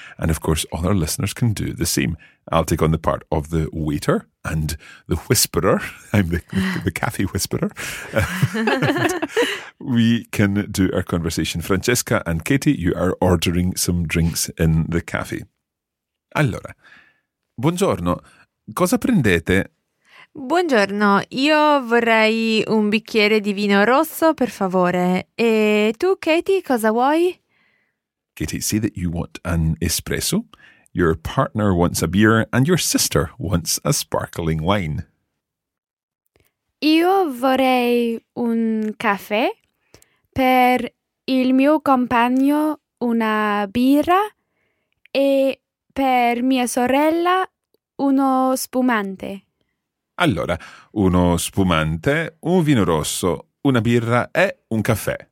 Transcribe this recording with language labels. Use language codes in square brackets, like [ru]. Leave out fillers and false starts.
[en] And of course, all our listeners can do the same. I'll take on the part of the waiter and the whisperer. I'm the cafe whisperer. We can do our conversation. Francesca and Katie, you are ordering some drinks in the cafe. [it] Allora, buongiorno. Cosa prendete? Buongiorno, io vorrei un bicchiere di vino rosso, per favore. E tu, Katie, cosa vuoi? [en] Katie, say that you want an espresso, your partner wants a beer, and your sister wants a sparkling wine. [it] Io vorrei un caffè, per il mio compagno una birra, e per mia sorella uno spumante. Allora, uno spumante, un vino rosso, una birra e un caffè.